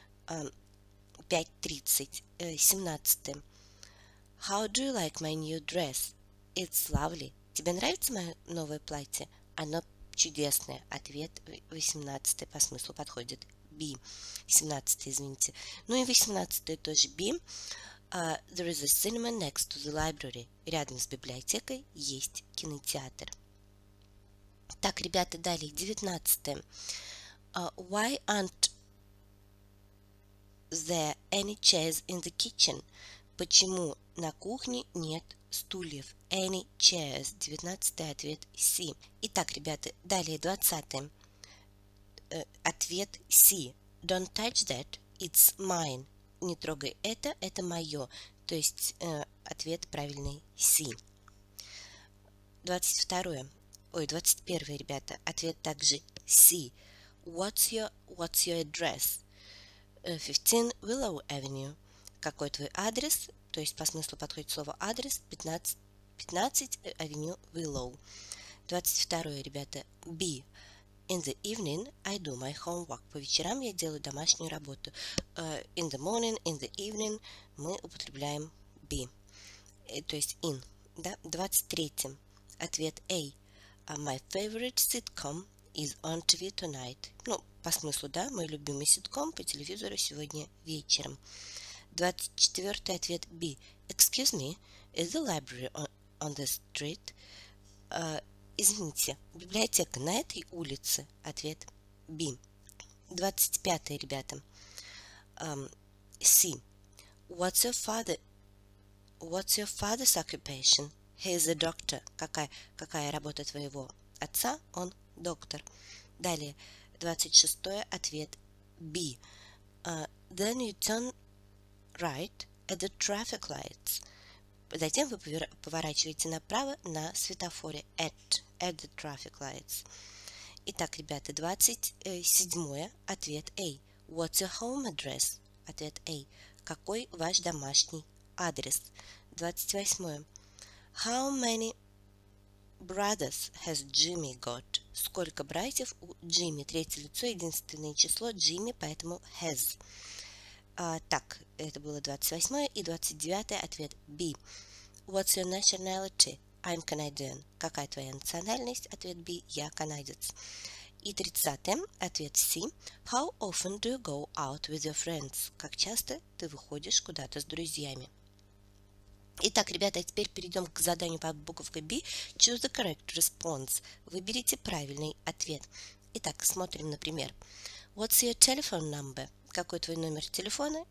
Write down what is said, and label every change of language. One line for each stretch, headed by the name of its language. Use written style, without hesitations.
English: 5:30. 17. How do you like my new dress? It's lovely.
Russian: Тебе нравится мое новое платье? Оно чудесное. Ответ 18 по смыслу подходит B. 17, извините. Ну и 18 тоже B.
English: There is a cinema next to the library.
Russian: Рядом с библиотекой есть кинотеатр. Так, ребята, далее. 19.
English: Why aren't there any chairs in the kitchen?
Russian: Почему на кухне нет стульев?
English: Any chairs.
Russian: 19 ответ C. Итак, ребята, далее 20. Ответ C.
English: Don't touch that. It's mine.
Russian: Не трогай это мое. То есть ответ правильный C. 22. Ой, 21, ребята. Ответ также C.
English: What's your address? 15 Willow Avenue.
Russian: Какой твой адрес? То есть по смыслу подходит слово адрес. 15 Avenue Willow. 22, ребята. B.
English: In the evening I do my homework.
Russian: По вечерам я делаю домашнюю работу.
English: In the morning, in the evening
Russian: мы употребляем B. То есть in. Да? 23. Ответ A.
English: My favorite sitcom is on TV tonight.
Russian: Ну, по смыслу, да, мой любимый ситком по телевизору сегодня вечером. 24 ответ B.
English: Excuse me, is the library on the street?
Russian: Извините, библиотека на этой улице? Ответ B. 25, ребята. C.
English: What's your father's occupation? He is a doctor.
Russian: Какая работа твоего отца? Он доктор. Далее, 26 ответ B.
English: Then you turn right at the traffic lights.
Russian: Затем вы поворачиваете направо на светофоре
English: at the traffic lights.
Russian: Итак, ребята, 27 ответ A.
English: What's your home address?
Russian: Ответ A. Какой ваш домашний адрес?
English: 28. How many brothers has Jimmy got?
Russian: Сколько братьев у Джимми? Третье лицо, единственное число Джимми, поэтому has. Так, это было 28 и 29 ответ B.
English: What's your nationality? I'm Canadian.
Russian: Какая твоя национальность? Ответ B. Я канадец. И 30 ответ C.
English: How often do you go out with your friends?
Russian: Как часто ты выходишь куда-то с друзьями? Итак, ребята, теперь перейдем к заданию по буковке B.
English: Choose the correct response.
Russian: Выберите правильный ответ. Итак, смотрим, например.
English: What's your telephone number?
Russian: Какой твой номер телефона?